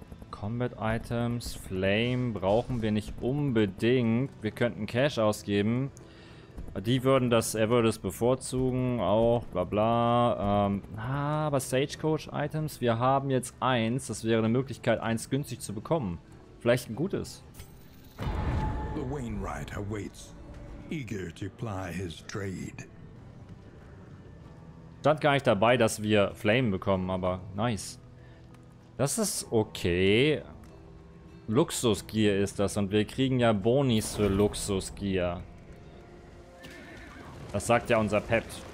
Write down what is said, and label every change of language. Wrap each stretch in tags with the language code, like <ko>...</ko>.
<de>Combat-Items, Flame brauchen wir nicht unbedingt. Wir könnten Cash ausgeben. Die würden das, er würde es bevorzugen, auch bla bla. Aber Stagecoach-Items, wir haben jetzt eins. Das wäre eine Möglichkeit, eins günstig zu bekommen. Vielleicht ein gutes.</de> <en>The Wainwright awaits, eager to ply his trade.</en> <de>Stand gar nicht dabei, dass wir Flame bekommen, aber nice. Das ist okay. Luxusgear ist das und wir kriegen ja Bonis für Luxusgear. Das sagt ja unser Pet.</de>